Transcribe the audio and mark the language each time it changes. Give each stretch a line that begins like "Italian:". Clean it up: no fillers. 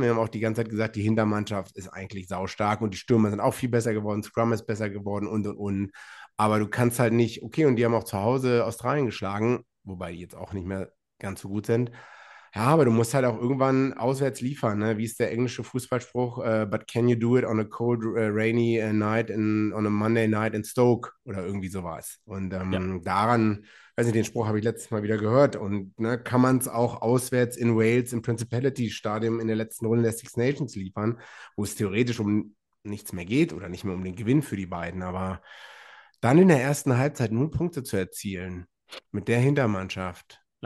German: Wir haben auch die ganze Zeit gesagt, die Hintermannschaft ist eigentlich saustark und die Stürmer sind auch viel besser geworden, Scrum ist besser geworden und. Aber du kannst halt nicht, okay, und die haben auch zu Hause Australien geschlagen, wobei die jetzt auch nicht mehr ganz so gut sind. Ja, aber du musst halt auch irgendwann auswärts liefern, ne? Wie ist der englische Fußballspruch?
English: But can you do it on a cold, rainy night, on a Monday night in Stoke?
German: Oder irgendwie sowas. Und daran, weiß nicht, den Spruch habe ich letztes Mal wieder gehört. Und ne, kann man es auch auswärts in Wales im Principality-Stadium in der letzten Runde der Six Nations liefern, wo es theoretisch um nichts mehr geht oder nicht mehr um den Gewinn für die beiden. Aber dann in der ersten Halbzeit nur Punkte zu erzielen mit der Hintermannschaft.